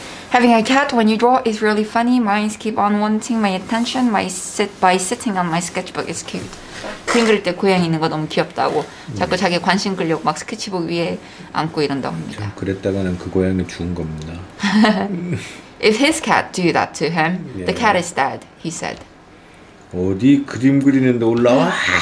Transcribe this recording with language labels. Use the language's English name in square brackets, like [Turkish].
[English] Having a cat when you draw is really funny. Mine keep on wanting my attention by sitting on my sketchbook. It's cute. [Korean] 그림 그릴 때 고양이 있는 거 너무 귀엽다고 자꾸 자기 관심 끌려고 막 스케치북 위에 앉고 이런다고 합니다. 그랬다가는 그 고양이 죽은 겁니다. [English] If his cat do that to him, yeah. the cat is dead, he said. [Korean] 어디 그림 그리는데 올라와?